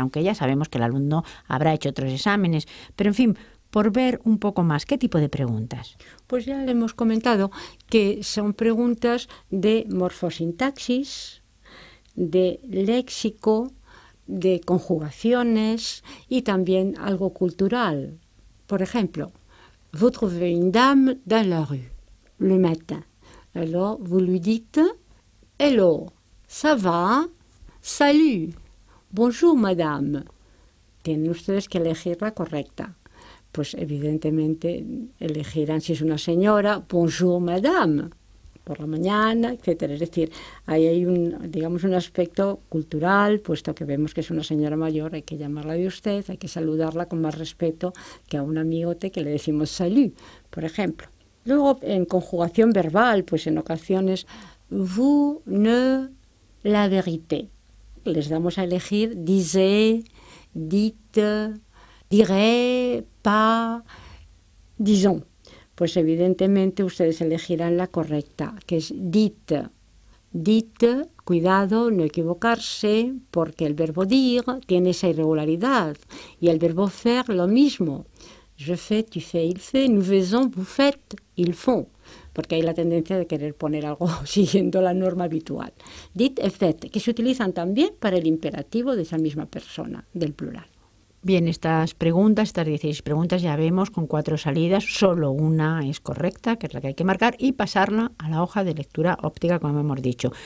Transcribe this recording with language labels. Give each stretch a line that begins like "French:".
Spanish: Aunque ya sabemos que el alumno habrá hecho otros exámenes, pero en fin, por ver un poco más, ¿qué tipo de preguntas? Pues ya le hemos comentado que son preguntas de morfosintaxis, de léxico, de conjugaciones y también algo cultural. Por ejemplo,
French: vous trouvez une dame dans la rue le matin. Alors, vous lui dites, hello, ça va, salut, bonjour madame.
Spanish: Tienen ustedes que elegir la correcta. Pues evidentemente elegirán si es una señora,
French: bonjour madame,
Spanish: por la mañana, etcétera. Es decir, ahí hay un, digamos, un aspecto cultural, puesto que vemos que es una señora mayor, hay que llamarla de usted, hay que saludarla con más respeto que a un amigote que le decimos salut, por ejemplo. Luego, en conjugación verbal, pues en ocasiones,
French: vous ne la vérité.
Spanish: Les damos a elegir,
French: disait, dite, diré, pas, disons.
Spanish: Pues evidentemente ustedes elegirán la correcta, que es dite. Dite, cuidado, no equivocarse, porque el verbo dire tiene esa irregularidad. Y el verbo faire, lo mismo.
French: Je fais, tu fais, il fait, nous faisons, vous faites, ils font.
Spanish: Porque hay la tendencia de querer poner algo siguiendo la norma habitual.
French: Dite et fait,
Spanish: que se utilizan también para el imperativo de esa misma persona, del plural. Bien, estas preguntas, estas 16 preguntas, ya vemos, con cuatro salidas, solo una es correcta, que es la que hay que marcar, y pasarla a la hoja de lectura óptica, como hemos dicho.